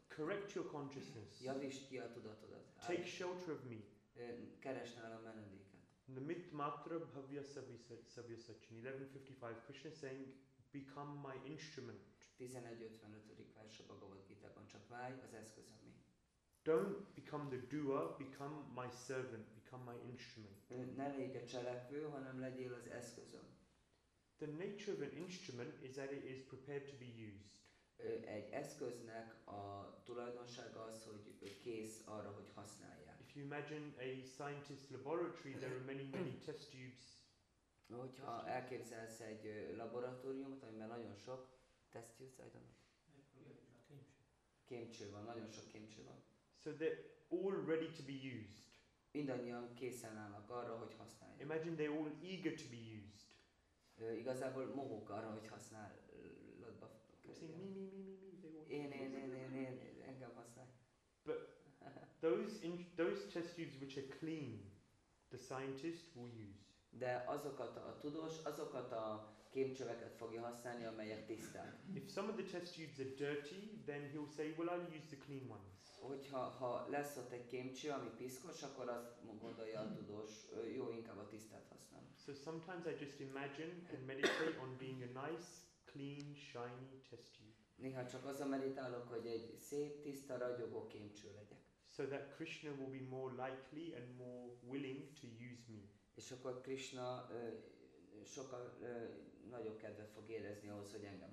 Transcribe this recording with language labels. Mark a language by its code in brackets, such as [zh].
[en] Correct your consciousness. [hu] Javítsd ki a tudatodat. [en] Take shelter of me. [hu] Keresd nálam menedéket. [sa] Namit matra bhavya savya sachin. [en] 11:55, Krishna is saying, become my instrument. [hu] 11:55 vers a Bhagavad Gita-ban, csak válj az eszközömé. [en] Don't become the doer, become my servant, become my instrument. [hu] Ne légy a cselekvő, hanem legyél az eszközöm. [en] The nature of an instrument is that it is prepared to be used. [hu] Egy eszköznek a tulajdonsága az, hogy kész arra, hogy használják. [en] If you imagine a scientist's laboratory, there are many, many test tubes. [hu] Hogyha elképzelsz egy laboratóriumot, amiben nagyon sok [en] test tubes, I don't know. [hu] Kémcső van, nagyon sok kémcső van. [en] So they're all ready to be used. [hu] Mindannyian készen állnak arra, hogy használják. [en] Imagine they're all eager to be used. [hu] Igazából mohók arra, hogy használatba kerüljön. Én, engem használj. [en] But those test tubes which are clean, the scientist will use. [hu] De azokat a tudós, azokat a kémcsöveket fogja használni, amelyek tiszták. [en] If some of the test tubes are dirty, then he'll say, well, I'll use the clean ones. [hu] Hogyha lesz ott egy kémcső, ami piszkos, akkor azt gondolja a tudós, jó, inkább a tisztát használ. [en] So sometimes I just imagine and meditate on being a nice, clean, shiny test tube. [hu] Néha csak az a meditálok, hogy egy szép, tiszta, ragyogó kémcső legyek. [en] So that Krishna will be more likely and more willing to use me. [hu] És akkor Krishna sokkal nagyobb kedvet fog érezni ahhoz, hogy engem